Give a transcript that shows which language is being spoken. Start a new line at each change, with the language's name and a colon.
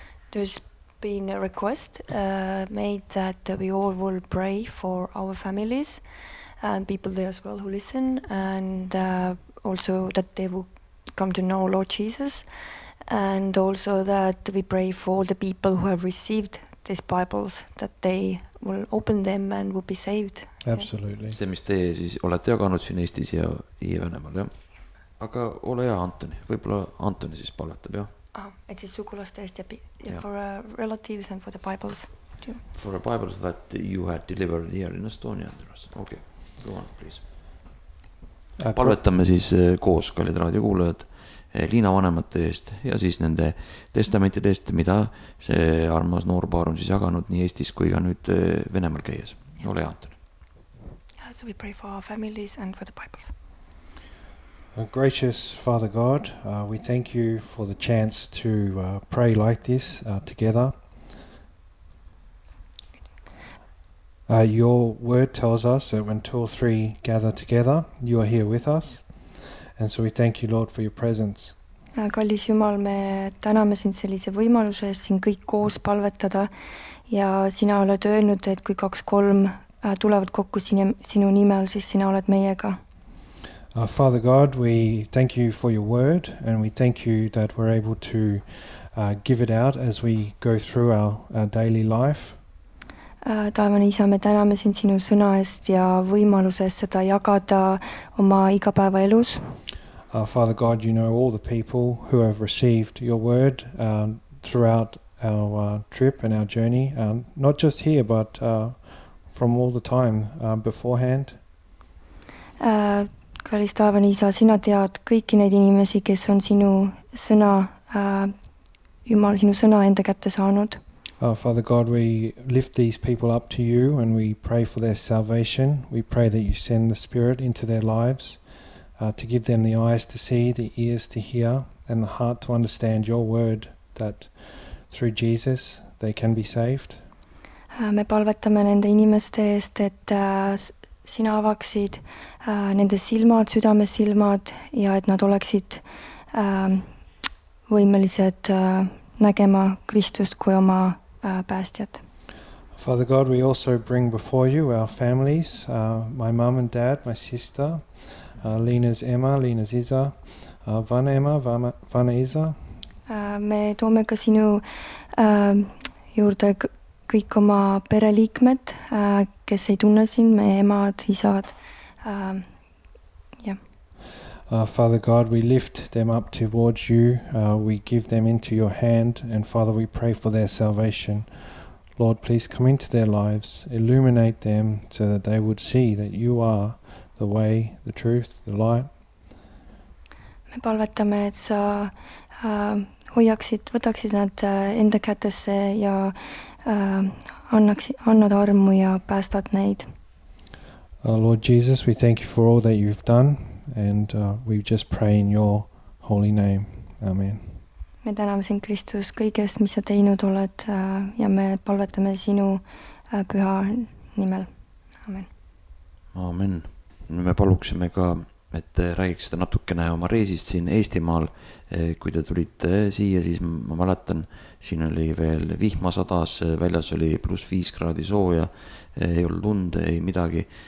English: There's been a request made that we all will pray for our families and people there as well who listen and also that they will come to know Lord Jesus and also that we pray for all the people who have received these Bibles, that they will open them and will be saved. Absolutely.
Estonian: See, mis teie siis olete jaganud siin Eestis ja Venemaal, jah? Aga ole hea, Antoni. Võib-olla Antoni siis palvetab, jah? Et siis sugulaste eest ja
English: for relatives and for the Bibles. For the Bibles that you had delivered here in Estonia. Okay, go on, please.
Estonian: Palvetame siis koos, kallid raadiokuulajad, Liina vanemate eest ja siis nende testamentide eest, mida see armas noorpaar on siis jaganud nii Eestis kui ka nüüd Venemal käies. Yeah. Ole Antoni.
English: So we pray for our families and for the Bibles. Gracious Father God, we thank you for the chance to pray like this together. Your word tells us that when two or three gather together, you are here with us. And so we thank you, Lord, for your presence.
Estonian: Kallis Jumal, me täname sind sellise võimaluse eest siin kõik koos palvetada. Ja sina oled öelnud, et kui 2-3 tulevad kokku sinu nimel, siis sina oled meiega.
English: Father God, we thank you for your word and we thank you that we're able to give it out as we go through our daily life.
Estonian: Taevane isa, me täname sind sinu sõna eest ja võimaluses seda jagada oma igapäeva elus.
English: Father God, you know all the people who have received your word throughout our trip and our journey, not just here, but from all the time beforehand.
Estonian: Kallis taevane isa, sina tead kõiki neid inimesi, kes on sinu sõna, Jumal, sinu sõna enda kätte saanud.
English: Father God, we lift these people up to you and we pray for their salvation. We pray that you send the Spirit into their lives to give them the eyes to see, the ears to hear, and the heart to understand your word that through Jesus they can be saved.
Estonian: Me palvetame nende inimeste eest, et sina avaksid nende silmad, südamesilmad ja et nad oleksid võimelised nägema Kristust kui oma päästjad.
English: Father God, we also bring before you our families, my mom and dad, my sister, Liina's Emma, Liina's Isa,
Estonian: Vana Emma, Vana Isa. Me toome ka sinu juurde kõik oma pereliikmed, kes ei tunne sind, me emad, isad.
English: Father God, we lift them up towards you. We give them into your hand. And Father, we pray for their salvation. Lord, please come into their lives. Illuminate them so that they would see that you are the way, the truth, the light.
Estonian: Me palvetame, et sa hoiaksid, võtaksid nad enda kätesse ja annad armu ja päästad neid.
English: Lord Jesus, we thank you for all that you've done. And we just pray in your holy name. Amen.
Estonian: Me täname sind Kristus kõiges, mis sa teinud oled, ja me palvetame sinu püha nimel. Amen. Amen. Me paluksime ka, et räägiks seda natukene oma reisist siin Eestimaal. Kui te tulite siia, siis ma mäletan, siin oli veel vihma sadas, väljas oli +5 kraadi sooja, ei olnud lund, ei midagi.